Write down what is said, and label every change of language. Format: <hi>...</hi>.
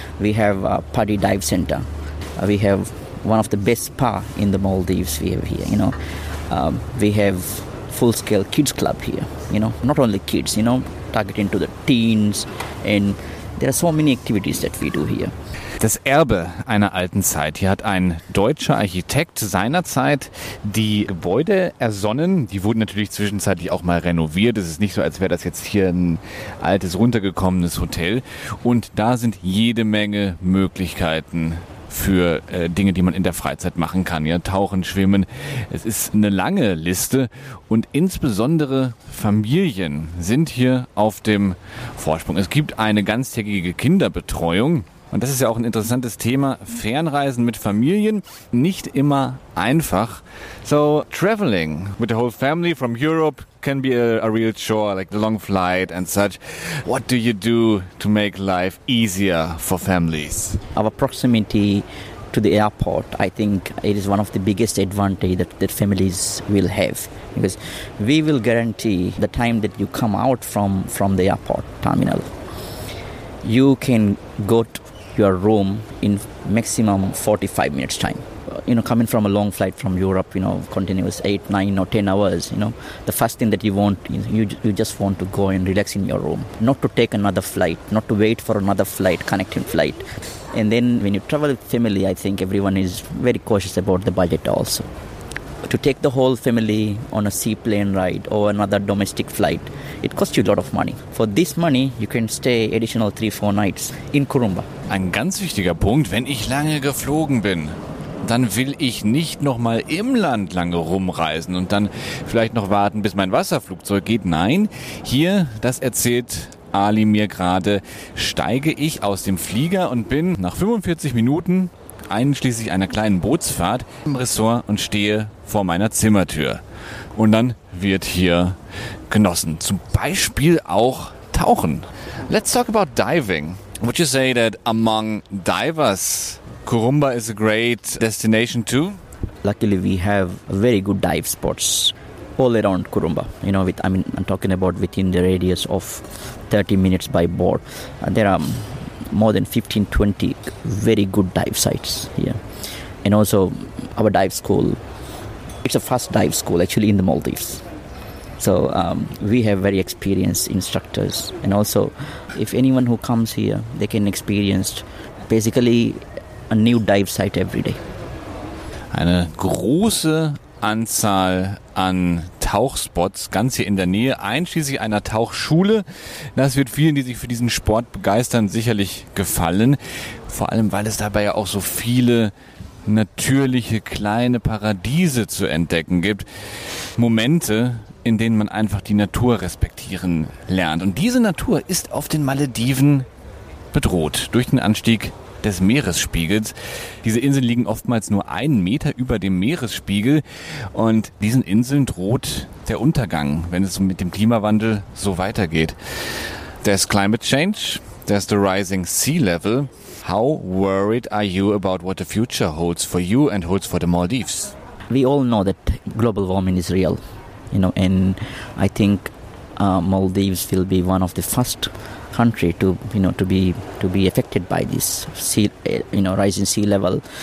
<en>We have a paddy dive center. We have one of the best spa in the Maldives we have here, you know. We have full-scale kids club here, you know. Not only kids, you know, targeting to the teens. And there are so many activities that we do here.</en> <de>Das Erbe einer alten Zeit. Hier hat ein deutscher Architekt seinerzeit die Gebäude ersonnen. Die wurden natürlich zwischenzeitlich auch mal renoviert. Es ist nicht so, als wäre das jetzt hier ein altes, runtergekommenes Hotel. Und da sind jede Menge Möglichkeiten für Dinge, die man in der Freizeit machen kann. Ja, tauchen, schwimmen. Es ist eine lange Liste. Und insbesondere Familien sind hier auf dem Vorsprung. Es gibt eine ganztägige Kinderbetreuung. Und das ist ja auch ein interessantes Thema, Fernreisen mit Familien, nicht immer einfach. So, traveling with the whole family from Europe can be a real chore, like the long flight and such. What do you do to make life easier for families? Our proximity to the airport, I think it is one of the biggest advantage that families will have. Because we will guarantee the time that you come out from the airport terminal, you can go to your room in maximum 45 minutes time. You know, coming from a long flight from Europe, you know, continuous 8, 9, or 10 hours, you know, the first thing that you want, you just want to go and relax in your room, not to take another flight, not to wait for another flight, connecting flight. And then when you travel with family, I think everyone is very cautious about the budget also. To take the whole family on a seaplane ride or another domestic flight, it costs you a lot of money. For this money, you can stay additional 3-4 nights in Corumba. Ein ganz wichtiger Punkt, wenn ich lange geflogen bin, dann will ich nicht nochmal im Land lange rumreisen und dann vielleicht noch warten, bis mein Wasserflugzeug geht. Nein, hier, das erzählt Ali mir gerade, steige ich aus dem Flieger und bin nach 45 Minuten einschließlich einer kleinen Bootsfahrt im Ressort und stehe vor meiner Zimmertür. Und dann wird hier genossen. Zum Beispiel auch tauchen.</de> <en>Let's talk about diving. Would you say that among divers, Corumba is a great destination too? Luckily, we have very good dive spots all around Corumba. You know, I'm talking about within the radius of 30 minutes by boat. There are more than 15, 20 very good dive sites here. And also, our dive school, it's a first dive school actually in the Maldives. So we have very experienced instructors. And also, if anyone who comes here, they can experience basically a new dive site every day.</en> <de>Eine große Anzahl an Tauchspots, ganz hier in der Nähe, einschließlich einer Tauchschule. Das wird vielen, die sich für diesen Sport begeistern, sicherlich gefallen. Vor allem, weil es dabei ja auch so viele natürliche kleine Paradiese zu entdecken gibt. Momente, in denen man einfach die Natur respektieren lernt. Und diese Natur ist auf den Malediven bedroht durch den Anstieg des Meeresspiegels. Diese Inseln liegen oftmals nur einen Meter über dem Meeresspiegel und diesen Inseln droht der Untergang, wenn es mit dem Klimawandel so weitergeht.</de> <en>There's climate change, there's the rising sea level. How worried are you about what the future holds for you and holds for the Maldives? We all know that global warming is real, you know, and I think Maldives will be one of the first country to be affected by this sea, you know, rising sea level.</en>